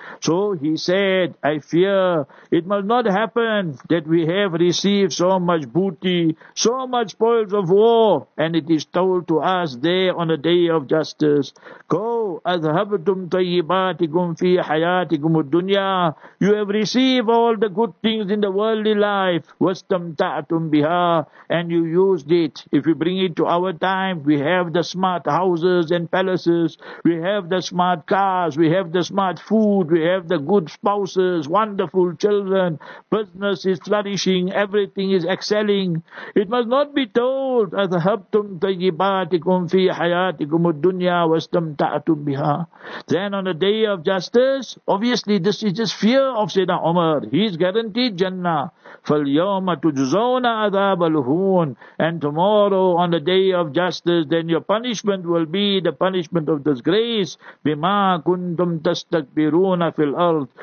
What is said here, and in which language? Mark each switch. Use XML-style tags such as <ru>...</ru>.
<en>So he said, I fear it must not happen that we have received so much booty, so much spoils of war, and it is told to us there on the day of justice, go,</en> <ar>azhabtum tayyibatikum fi hayatikum ad-dunya,</ar> <en>you have received all the good things in the worldly life,</en> <ar>wastamta'tum biha,</ar> <en>and you used it. If we bring it to our time, we have the smart houses and palaces, we have the smart cars, we have the smart food, we have the good spouses, wonderful children, business is flourishing, everything is excelling. It must not be told,</en> <ar>أَذْهَبْتُمْ طَيِّبَاتِكُمْ فِي حَيَاتِكُمْ الدُّنْيَا وَاسْتَمْتَعْتُمْ بِهَا.</ar> <en>Then on the day of justice, obviously this is just fear of Sayyidina Umar. He is guaranteed Jannah.</en> <ar>فَالْيَوْمَ تُجْزَوْنَ عَذَابَ الْهُونَ.</ar> <en>And tomorrow on the day of justice, then your punishment will be the punishment of disgrace.</en> <ar>بِمَا كُنْتُمْ تَسْتَكْبِرُونَ فِي الْأَرْضِ.</ar>